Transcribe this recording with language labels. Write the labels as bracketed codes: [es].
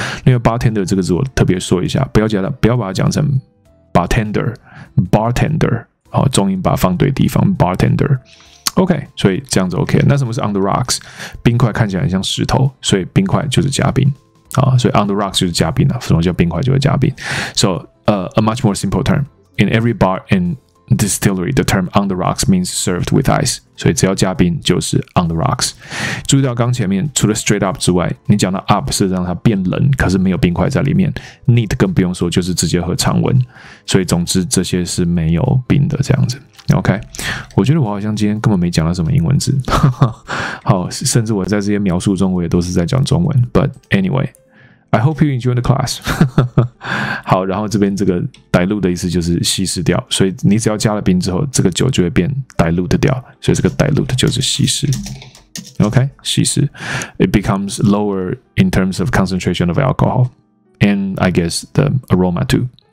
[zh] 因为 bartender 这个字我特别说一下，不要把它讲成 bartender， 好，重音把它放对地方 ，bartender。 OK， 所以这样子 OK。那什么是 on the rocks？冰块看起来很像石头，所以冰块就是加冰。所以 on the rocks 就是加冰，什么叫冰块就会加冰。 [en] So a much more simple term in every bar and distillery, the term on the rocks means served with ice。 [zh] 所以只要加冰就是 on the rocks。注意到刚前面除了 straight up 之外，你讲到 up 是让它变冷，可是没有冰块在里面。 neat 更不用说，就是直接喝常温，所以总之这些是没有冰的，这样子。 OK， 我觉得我好像今天根本没讲到什么英文字。好，甚至我在这些描述中我也都是在讲中文。 [en] But anyway, I hope you enjoy the class. [zh] 好，然后这边这个 dilute 的意思就是稀释掉，所以你只要加了冰之后，这个酒就会变 dilute 掉，所以这个 dilute 就是稀释。 [en] OK， [zh] 稀释 [en] It becomes lower in terms of concentration of alcohol and I guess the aroma too.